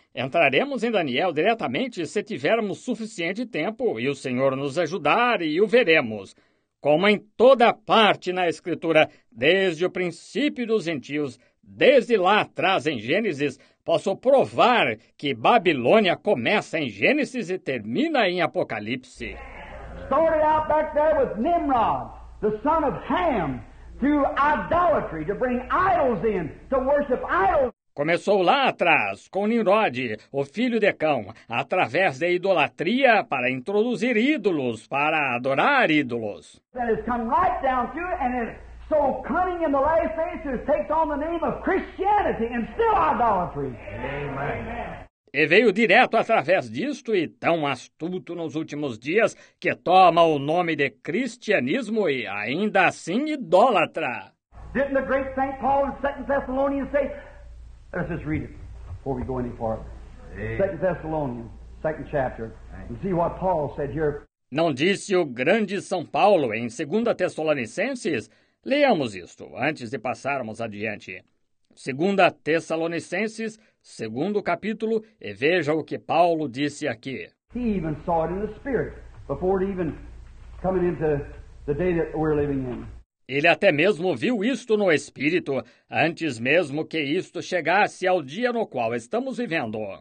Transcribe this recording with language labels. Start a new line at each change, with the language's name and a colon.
Portuguese: Entraremos em Daniel diretamente se tivermos suficiente tempo e o Senhor nos ajudar e o veremos. Como em toda parte na Escritura, desde o princípio dos gentios, desde lá atrás em Gênesis, posso provar que Babilônia começa em Gênesis e termina em Apocalipse.
English: Started out back there with Nimrod, the son of Ham. To idolatry, to bring idols in, to worship idols.
Portuguese: Começou lá atrás, com Nimrod, o filho de Cão, através da idolatria para introduzir ídolos, para adorar ídolos.
English: That has come right down to it, and it's so cunning in the last days, it takes on the name of Christianity and still idolatry. Amen.
Portuguese: E veio direto através disto e tão astuto nos últimos dias que toma o nome de cristianismo e ainda assim idólatra.
English: Didn't the great St. Paul in 2 Thessalonians say, let's just read it before we go any farther. 2 Thessalonians, 2 chapter. You see what Paul said here.
Portuguese: Não disse o grande São Paulo em 2 Tessalonicenses? Leamos isto antes de passarmos adiante. 2 Tessalonicenses, segundo capítulo, e veja o que Paulo disse aqui.
English: He even saw it in the spirit, before it even coming into the day that we're living in.
Portuguese: Ele até mesmo viu isto no Espírito, antes mesmo que isto chegasse ao dia no qual estamos vivendo.